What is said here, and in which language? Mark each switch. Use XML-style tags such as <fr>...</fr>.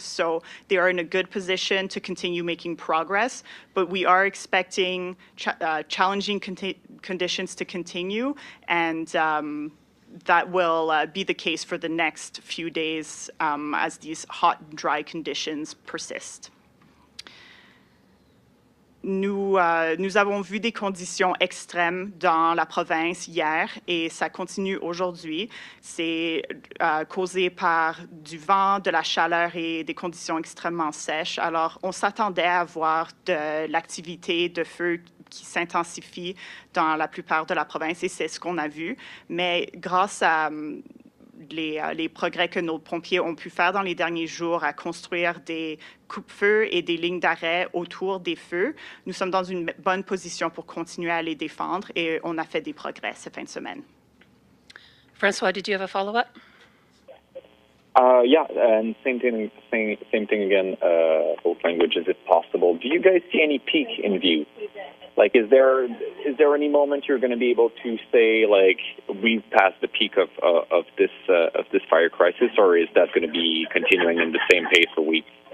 <en>So they are in a good position to continue making progress, but we are expecting challenging conditions to continue, and that will be the case for the next few days as these hot, dry conditions persist.</en> <fr>Nous avons vu des conditions extrêmes dans la province hier et ça continue aujourd'hui. C'est causé par du vent, de la chaleur et des conditions extrêmement sèches. Alors, on s'attendait à voir de l'activité de feu qui s'intensifie dans la plupart de la province et c'est ce qu'on a vu. Mais grâce à les progrès que nos pompiers ont pu faire dans les derniers jours à construire des coupe-feux et des lignes d'arrêt autour des feux, nous sommes dans une bonne position pour continuer à les défendre et on a fait des progrès cette fin de semaine.</fr> <en>François, did you have a follow-up? Yeah, and same thing again, both languages, if possible. Do you guys see any peak in view? Like, is there any moment you're going to be able to say, like, we've passed the peak of this fire crisis, or is that going to be continuing in the same pace for weeks?</en>